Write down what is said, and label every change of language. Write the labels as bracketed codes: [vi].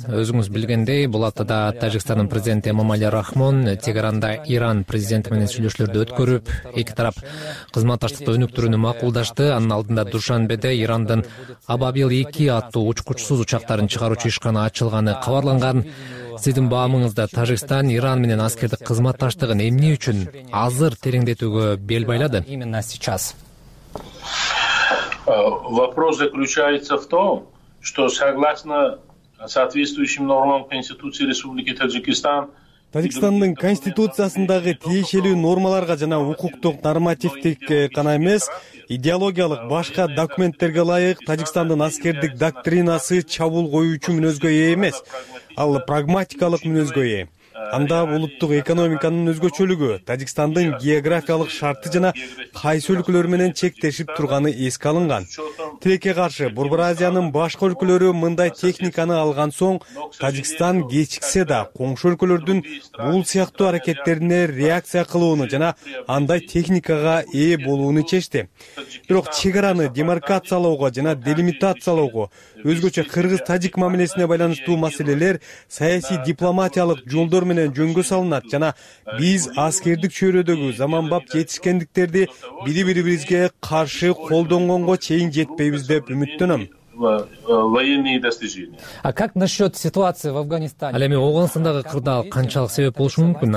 [ky] Өзүңүз билгендей, бул аптада Тажикстандын президенти Эмомали Рахмон Тегеранда Иран президенти менен сүйлөшүүлөрдү өткөрүп, эки тарап кызматташтыкты өнүктүрүүнү макулдашты. Анын алдында Душанбеде Ирандын Абабил 2 аттуу учкучсуз учактарын чыгаруучу ишкана ачылганы кабарланган. Сиздин баамыңызда Тажикстан Иран менен аскердик кызматташтыгын эмне үчүн азыр тереңдетүүгө бел байлады? [ru] Именно сейчас. Вопрос заключается в том, что согласно соответствующим нормам Конституции Республики Таджикистан [ky] Тажикстандын конституциясындагы тиешелүү нормаларга жана укуктук нормативдик гана эмес, идеологиялык башка документтерге ылайык Тажикстандын аскердик доктринасы чабуул коюучу мүнөзгө ээ эмес, ал прагматикалык мүнөзгө ээ. Анда улуттук экономиканын өзгөчөлүгү, Тажикстандын географиялык шарты жана кайсы өлкөлөр менен чектешип турганы эске алынган. Тилекке каршы, Борбор Азиянын башка өлкөлөрү мындай техниканы алган соң, Тажикстан кечиксе да, коңшу өлкөлөрдүн бул сыяктуу аракеттерине реакция кылууну жана андай техникага ээ болууну чечти. Бирок чек араны демаркациялоого жана делимитациялоого, өзгөчө кыргыз-тажик мамилесине байланыштуу маселелер саясий дипломатиялык жолдор менен жөнгө салынат жана биз аскердик чөйрөдөгү заманбап жетишкендиктерди бири бирибизге каршы колдонгонго чейин жетпейбиз деп үмүттөнөм. [ru] Военные достижения. А как насчет ситуации в Афганистане? [ky] Ал эми Ооғанстандагы кырдаал канчалык себеп болушу мүмкүн?